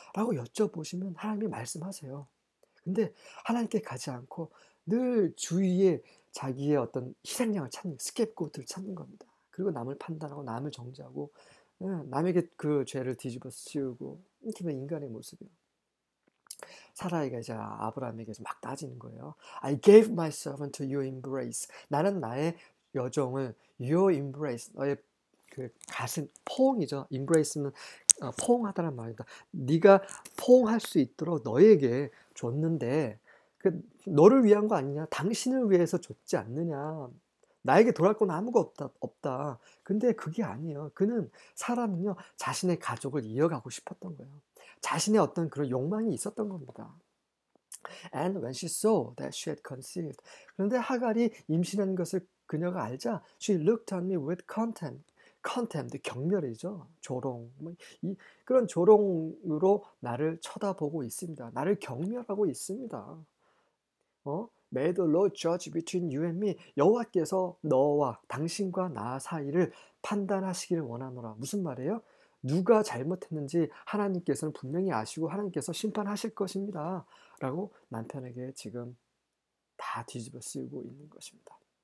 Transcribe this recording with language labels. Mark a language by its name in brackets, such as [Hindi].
[Korean] 라고 여쭤보시면 하나님이 말씀하세요. 근데 하나님께 가지 않고 늘 주위에 자기의 어떤 희생양을 찾는, 스케프고트를 찾는 겁니다. 그리고 남을 판단하고 남을 정죄하고 남에게 그 죄를 뒤집어 씌우고 이렇게 된 인간의 모습이요. 사라이가 이제 아브라함에게서 막 따지는 거예요. [English] I gave my servant to your embrace. [Korean] 나는 나의 여종을 [English] your embrace, [Korean] 너의 그 가슴 포옹이죠. embrace는 포옹하다는 말입니다. 네가 포옹할 수 있도록 너에게 줬는데 너를 위한 거 아니냐? 당신을 위해서 줬지 않느냐? 나에게 돌아올 건 아무것도 없다. 근데 그게 아니에요. 그는 사람은요, 자신의 가족을 이어가고 싶었던 거예요. 자신의 어떤 그런 욕망이 있었던 겁니다. [English] And when she saw that she had conceived. [Korean] 그런데 하갈이 임신한 것을 그녀가 알자, [English] she looked at me with contempt. [Korean] Contempt, 경멸이죠. 조롱. 그런 조롱으로 나를 쳐다보고 있습니다. 나를 경멸하고 있습니다. [English] May the Lord judge between you and me. [Korean] 여호와께서 너와 당신과 나 사이를 판단하시기를 원하노라. 무슨 말이에요? 누가 잘못했는지 하나님께서는 분명히 아시고 하나님께서 심판하실 것입니다. 라고 남편에게 지금 다 뒤집어 씌우고 있는 것입니다.